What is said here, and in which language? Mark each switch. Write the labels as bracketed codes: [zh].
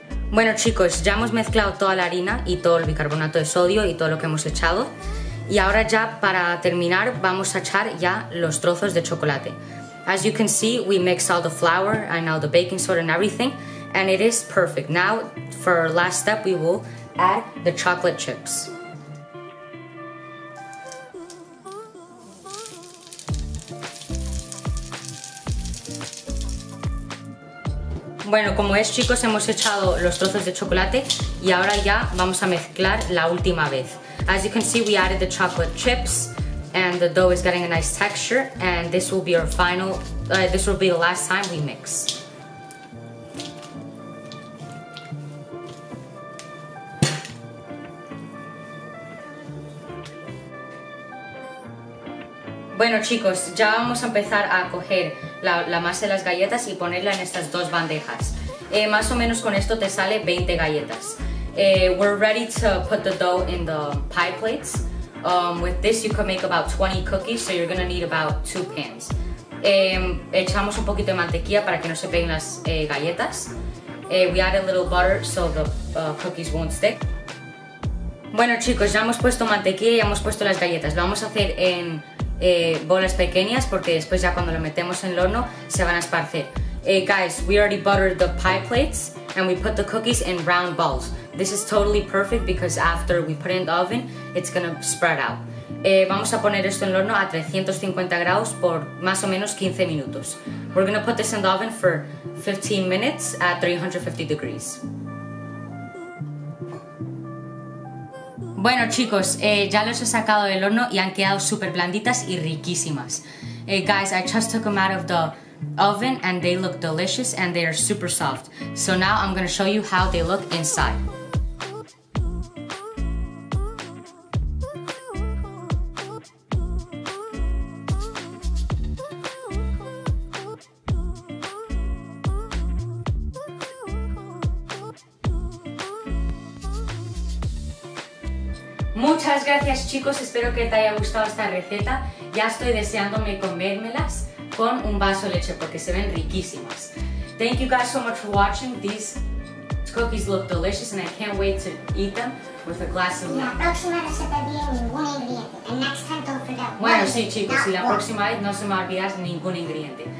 [es] Bueno, chicos, ya hemos mezclado toda la harina y todo el bicarbonato de sodio y todo lo que hemos echado. Y ahora ya, para terminar, vamos a echar ya los trozos de chocolate. [en] As you can see, we mixed all the flour and all the baking soda and everything, and it is perfect. Now, for our last step, we will add the chocolate chips. [es] Bueno, como es, chicos, hemos echado los trozos de chocolate y ahora ya vamos a mezclar la última vez. [en] As you can see, we added the chocolate chips and the dough is getting a nice texture, and this will be our final, this will be the last time we mix. [es] Bueno, chicos, ya vamos a empezar a coger la masa de las galletas y ponerla en estas dos bandejas. Más o menos con esto te sale 20 galletas. [en] We're ready to put the dough in the pie plates. With this you can make about 20 cookies, so you're gonna need about 2 pans. [es] Echamos un poquito de mantequilla para que no se peguen las galletas. [en] We add a little butter so the cookies won't stick. [es] Bueno, chicos, ya hemos puesto mantequilla y hemos puesto las galletas. Lo vamos a hacer en bolas pequeñas porque después ya cuando lo metemos en el horno se van a esparcir. [en] Guys, we already buttered the pie plates and we put the cookies in round balls. This is totally perfect because after we put it in the oven, it's gonna spread out. [es] Vamos a poner esto en el horno a 350 grados por más o menos 15 minutos. [en] We're gonna put this in the oven for 15 minutes at 350 degrees. [es] Bueno, chicos, ya los he sacado del horno y han quedado súper blanditas y riquísimas. [en] Guys, I just took them out of the oven and they look delicious and they are super soft. So now I'm gonna show you how they look inside. [es] Muchas gracias, chicos, espero que te haya gustado esta receta. Ya estoy deseándome comérmelas con un vaso de leche porque se ven riquísimas. [en] Thank you guys so much for watching. These cookies look delicious and I can't wait to eat them with a glass of milk. [es] La próxima receta viene ningún ingrediente. [en] And next time, don't forget. [es] Bueno, sí, chicos, y la próxima vez no se me va a olvidar ningún ingrediente.